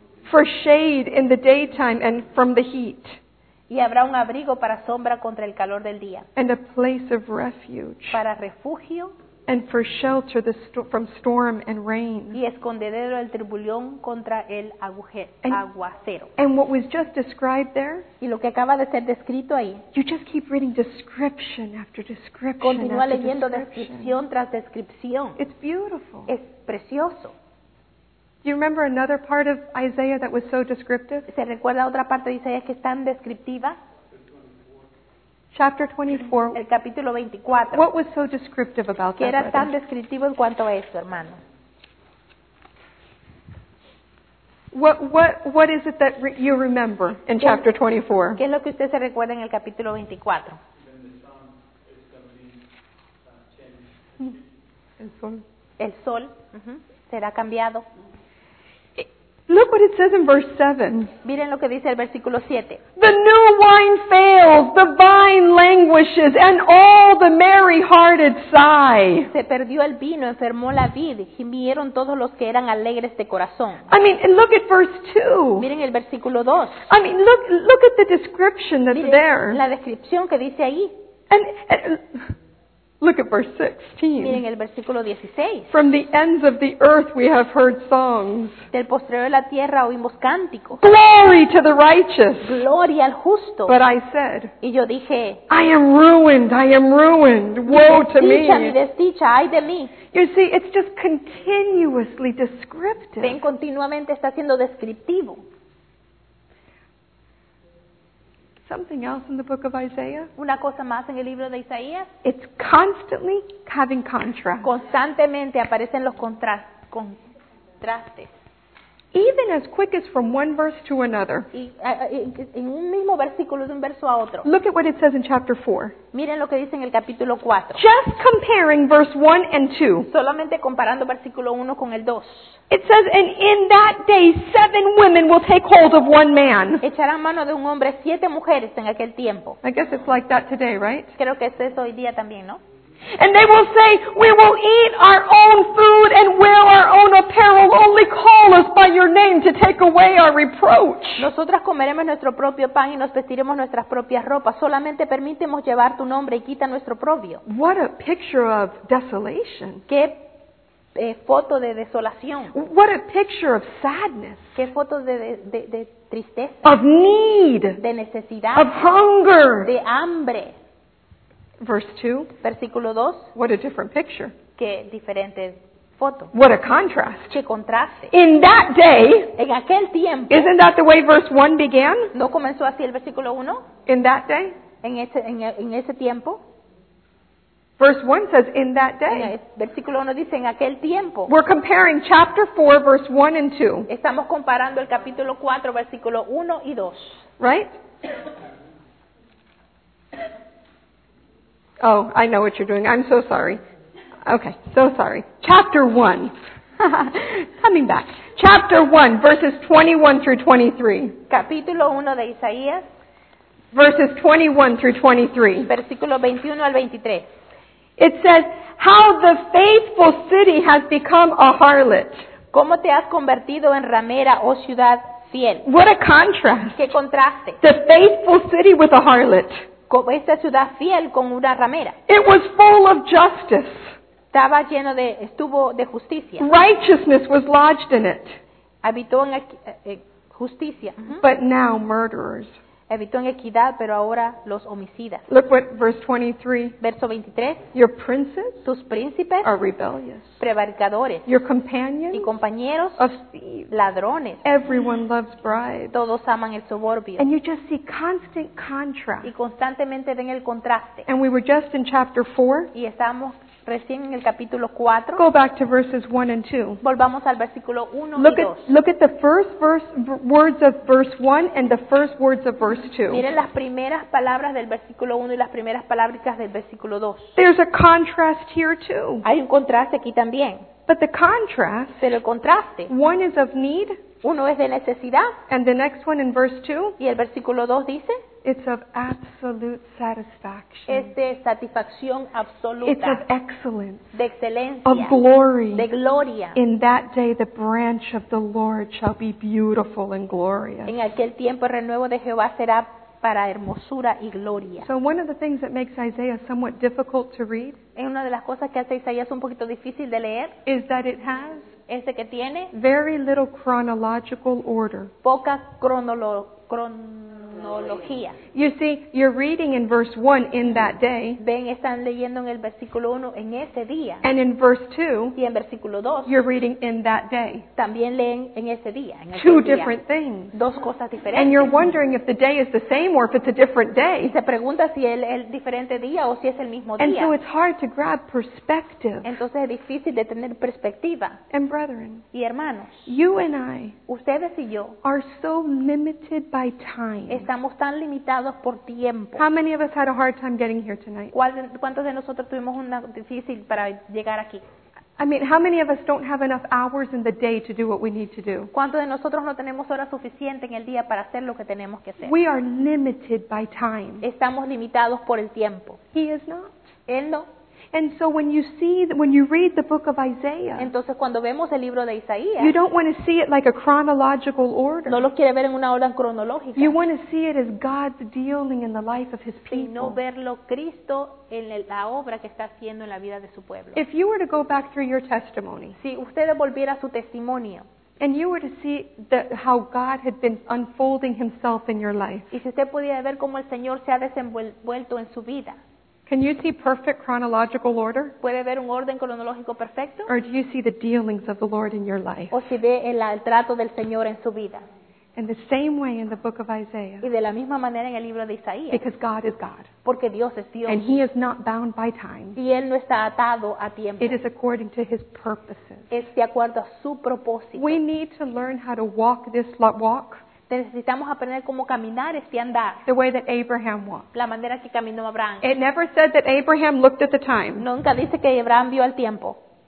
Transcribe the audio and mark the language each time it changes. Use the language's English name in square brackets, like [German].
[English] for shade in the daytime and from the heat. [Spanish] Y habrá un abrigo para sombra contra el calor del día. [English] And a place of refuge. [Spanish] Para refugio. [English] And for shelter from storm and rain. [Spanish] Y escondedero del turbulión contra el aguacero. [English] And what was just described there? [Spanish] Y lo que acaba de ser descrito ahí. [English] You just keep reading description after description. [Spanish] Continúa leyendo descripción tras descripción. [English] It's beautiful. [Spanish] Es precioso. [English] Do you remember another part of Isaiah that was so descriptive? [Spanish] ¿Se recuerda otra parte de Isaías que es tan descriptiva? [English] Chapter 24. [Spanish] El capítulo 24. [English] What was so descriptive about that? [Spanish] ¿Qué era tan descriptivo en cuanto a eso, hermano? [English] What is it that you remember in chapter 24? [Spanish] ¿Qué es lo que usted se recuerda en el capítulo 24? El sol será cambiado. [English] Look what it says in verse 7. [Spanish] Miren lo que dice el versículo 7. [English] The new wine fails, the vine languishes, and all the merry-hearted sigh. [Spanish] Se perdió el vino, enfermó la vid, gimieron todos los que eran alegres de corazón. [English] I mean, look at verse 2. [Spanish] Miren el versículo 2. [English] I mean, look at the description that's [Spanish] miren [English] there. [Spanish] La descripción que dice ahí. [English] And look at verse 16. [Spanish] Miren el versículo 16. [English] From the ends of the earth we have heard songs. [Spanish] Del postrero de la tierra oímos cánticos. [English] Glory to the righteous. [Spanish] Gloria al justo. [English] But I said. [Spanish] Y yo dije. [English] I am ruined. I am ruined. Woe to me. [Spanish] Mi desdicha, ay de mí. [English] You see, it's just continuously descriptive. [Spanish] Ven, continuamente está siendo descriptivo. [English] Something else in the book of Isaiah? [Spanish] Una cosa más en el libro de Isaías? [English] It's constantly having contrast. [Spanish] Constantemente aparecen los contrastes. [English] Even as quick as from one verse to another. [Spanish] En un mismo versículo, de un verso a otro. [English] Look at what it says in chapter 4. [Spanish] Miren lo que dice en el capítulo 4. [English] Just comparing verse 1 and 2. [Spanish] Solamente comparando versículo 1 con el 2. [English] It says, and in that day, seven women will take hold of one man. [Spanish] Echarán mano de un hombre siete mujeres en aquel tiempo. [English] I guess it's like that today, right? [Spanish] Creo que es eso hoy día también, ¿no? [English] And they will say, we will eat our own food and wear our own apparel. Only call us by your name to take away our reproach. [Spanish] Nosotras comeremos nuestro propio pan y nos vestiremos nuestras propias ropas. Solamente permítemos llevar tu nombre y quita nuestro propio. [English] What a picture of desolation. [Spanish] Qué foto de desolación. [English] What a picture of sadness. [Spanish] Qué foto de tristeza. [English] Of need. [Spanish] De necesidad. [English] Of hunger. [Spanish] De hambre. [English] Verse 2. [Spanish] Versículo 2. [English] What a different picture. [Spanish] Qué diferente foto. [English] What a contrast. [Spanish] Qué contraste. [English] In that day. [Spanish] En aquel tiempo. [English] Isn't that the way verse 1 began? [Spanish] ¿No comenzó así el versículo 1? [English] In that day. [Spanish] En ese tiempo. [English] Verse 1 says in that day. [Spanish] Versículo 1 dice en aquel tiempo. [English] We're comparing chapter 4 verse 1 and 2. [Spanish] Estamos comparando el capítulo 4 versículo 1 y 2. [English] Right? Oh, I know what you're doing. I'm so sorry. Okay, so sorry. Chapter 1. Coming back. Chapter 1, verses 21 through 23. [Spanish] Capítulo 1 de Isaías. [English] Verses 21 through 23. [Spanish] Versículo 21 al 23. [English] It says, how the faithful city has become a harlot. [Spanish] ¿Cómo te has convertido en ramera, oh ciudad fiel. [English] What a contrast. [Spanish] Qué contraste. [English] The faithful city with a harlot. [Spanish] Esta ciudad fiel con una ramera. [English] It was full of justice. [Spanish] Estaba lleno de, estuvo de justicia. [English] Righteousness was lodged in it. [Spanish] Habitó en justicia. [English] But now murderers. [Spanish] Habitó en equidad, pero ahora los homicidas. [English] Look what verse 23. [Spanish] Verso 23. [English] Your princes. [Spanish] Tus príncipes. [English] Are rebellious. [Spanish] Prevaricadores. [English] Your companions. [Spanish] Y compañeros. [English] Of thieves. [Spanish] Ladrones. [English] Everyone loves bribes. [Spanish] Todos aman el soborbio. [English] And you just see constant contrast. [Spanish] Y constantemente ven el contraste. [English] And we were just in chapter 4. [Spanish] Y estamos recién en el capítulo 4. [English] Go back to verses 1 and 2. [Spanish] Volvamos al versículo 1 [English] look [Spanish] y 2. [English] Look at the first verse, words of verse 1 and the first words of verse 2. [Spanish] Miren las primeras palabras del versículo 1 y las primeras palabras del versículo 2. [English] There's a contrast here too. [Spanish] Hay un contraste aquí también. [English] But the contrast, [Spanish] pero el contraste, [English] one is of need, [Spanish] uno es de necesidad, [English] and the next one in verse 2, [Spanish] y el versículo 2 dice, [English] it's of absolute satisfaction. [Spanish] Es de satisfacción absoluta. [English] It's of excellence. [Spanish] De excelencia. [English] Of glory. [Spanish] De gloria. [English] In that day the branch of the Lord shall be beautiful and glorious. [Spanish] En aquel tiempo el renuevo de Jehová será para hermosura y gloria. [English] So one of the things that makes Isaiah somewhat difficult to read, [Spanish] es una de las cosas que hace Isaías un poquito difícil de leer, [English] is that it has [Spanish] ese que tiene [English] very little chronological order. [Spanish] Poca cronología. [English] You see, you're reading in verse 1 in that day. [Spanish] Ven, están leyendo en el versículo 1 en ese día. [English] And in verse 2, [Spanish] y en versículo 2, [English] you're reading in that day. [Spanish] También leen en ese día, en aquel two día. [English] Different things. [Spanish] Dos cosas diferentes. [English] And you're wondering if the day is the same or if it's a different day. [Spanish] Y se pregunta si es el diferente día o si es el mismo día. [English] And so it's hard to grab perspective. [Spanish] Entonces es difícil de tener perspectiva. [English] And brethren, [Spanish] y hermanos, [English] you and I, [Spanish] ustedes y yo, [English] are so limited by time. [Spanish] Estamos tan limitados por tiempo. [English] How many of us had a hard time getting here tonight? [Spanish] ¿Cuántos de nosotros tuvimos una difícil para llegar aquí? [English] I mean, how many of us don't have enough hours in the day to do what we need to do? [Spanish] ¿Cuántos de nosotros no tenemos horas suficientes en el día para hacer lo que tenemos que hacer? [English] We are limited by time. [Spanish] Estamos limitados por el tiempo. [English] He is not. [Spanish] Él no. [English] And so when you see when you read the book of Isaiah, [Spanish] entonces cuando vemos el libro de Isaías, [English] you don't want to see it like a chronological order. [Spanish] No lo quiere ver en una orden cronológica. [English] You want to see it as God's dealing in the life of His people. [Spanish] Y no verlo Cristo en la obra que está haciendo en la vida de su pueblo. [English] If you were to go back through your testimony, [Spanish] si usted volviera a su testimonio, [English] and you were to see how God had been unfolding Himself in your life, [Spanish] y si usted pudiera ver cómo el Señor se ha desenvuelto en su vida. [English] Can you see perfect chronological order? [Spanish] ¿Puede ver un orden cronológico perfecto? [English] Or do you see the dealings of the Lord in your life? [Spanish] ¿O si ve el trato del Señor en su vida? [English] In the same way in the book of Isaiah. [Spanish] Y de la misma manera en el libro de Isaías. [English] Because God is God. [Spanish] Porque Dios es Dios. [English] And He is not bound by time. [Spanish] Y Él no está atado a tiempo. [English] It is according to His purposes. [Spanish] Es de acuerdo a su propósito. [English] We need to learn how to walk this walk. [Spanish] Necesitamos aprender cómo caminar este andar. [English] The way that Abraham walked. [Spanish] La manera que caminó Abraham. [English] It never said that Abraham looked at the time. [Spanish] Nunca dice que Abraham vio el tiempo.